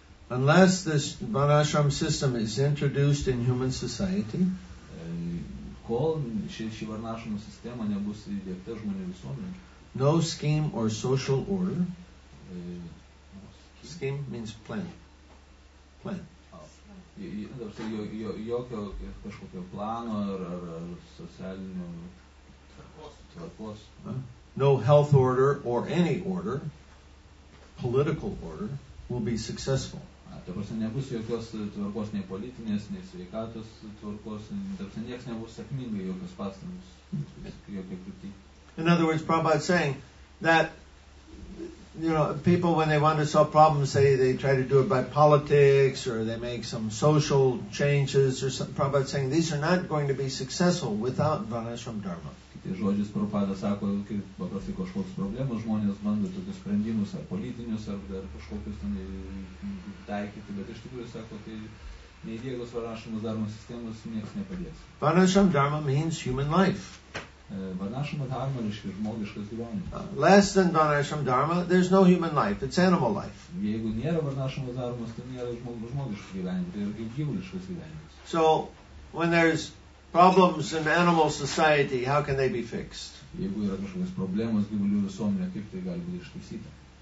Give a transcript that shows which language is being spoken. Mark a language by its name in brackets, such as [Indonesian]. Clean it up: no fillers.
[English] Unless this Varnashram system is introduced in human society, [Lithuanian] kol ši Varnashramo sistema nebus įdiegta žmonių visuomenė, [English] no scheme or social order. Scheme means plan. [Lithuanian] Jokio kažkokio plano ar socialinio tvarkos. [English] No health order or any order, political order, will be successful. [Lithuanian] Nebus jokios tvarkos, nei politinės, nei sveikatos tvarkos, nieks nebus sėkmingai jokios pastangos, jokio kryptį. [English] In other words, Prabhupada is saying that, you know, people, when they want to solve problems, they try to do it by politics, or they make some social changes, or something. Prabhupada is saying these are not going to be successful without Varnashram Dharma. [Lithuanian] Kiti žodžiai, Prabhupada sako, kai paprastai kažkoks problemas, žmonės bando tokius sprendimus, ar politinius, ar dar kažkokius ten taikyti, bet iš tikrųjų sako, tai neįdiegus Varnashramo Dharma sistemos niekas nepadės. [English] Varnashram Dharma means human life. Less than Varnashram Dharma, there's no human life, it's animal life. [Lithuanian] Jeigu nėra Varnashramo Dharmos, tai nėra žmogiško gyvenimo, tai yra gyvuliškas gyvenimas. [English] So, when there's problems in animal society, how can they be fixed? [Lithuanian] Jeigu yra kažkokios problemos gyvulių visuomenėje, kaip tai gali būti ištaisyta?